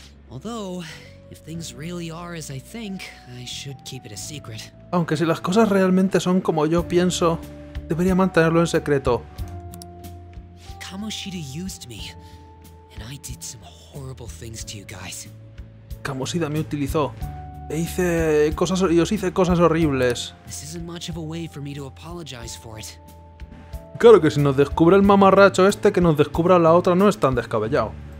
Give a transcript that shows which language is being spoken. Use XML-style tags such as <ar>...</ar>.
<en>Although, if things really are as I think, I should keep it a secret.</en> <es>Aunque si las cosas realmente son como yo pienso, debería mantenerlo en secreto.</es> <en>Kamoshida used me, and I did some horrible things to you guys.</en> <es>Kamoshida me utilizó, e hice cosas, y os hice cosas horribles.</es> <en>This isn't much of a way for me to apologize for it.</en> <es>Claro que si nos descubre el mamarracho este, que nos descubra la otra no es tan descabellado.</es>